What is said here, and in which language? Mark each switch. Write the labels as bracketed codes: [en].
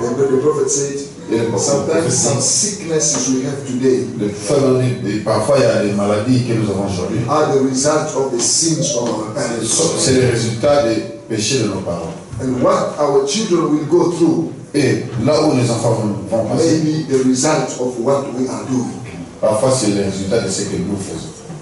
[en] And the prophet said, sometimes some sicknesses we have today, [fr] parfois il y a des maladies que nous avons aujourd'hui, [en] are the result of the sins of our parents. [fr] C'est le résultat des péchés de nos parents. [en] And what our children will go through, [fr] et là où les enfants vont passer, [en] may be the result of what we are doing. [fr] Parfois c'est le résultat de ce que nous faisons.